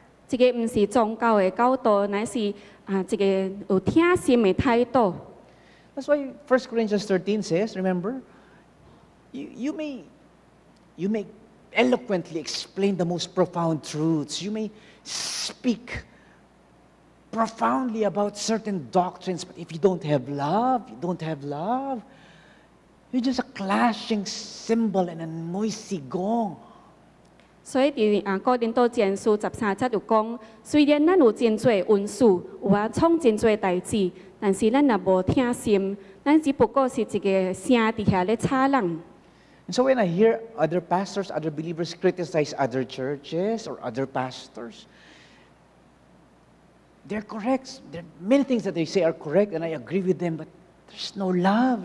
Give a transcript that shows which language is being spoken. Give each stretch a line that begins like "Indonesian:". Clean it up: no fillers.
English: That's why 1 Corinthians 13 says, remember, you may eloquently explain the most profound truths. You may speak profoundly about certain doctrines, but if you don't have love, you're just a clashing cymbal and a noisy gong. So in
Min Nan Chinese: 哥林多前书13章有讲, 虽然咱有真多恩赐，有啊创真多代志，但是咱若无听心，咱只不过是一个声底下咧吵人。
English: And so when I hear other pastors, other believers criticize other churches or other pastors, they're correct. There are many things that they say are correct, and I agree with them, but there's no love.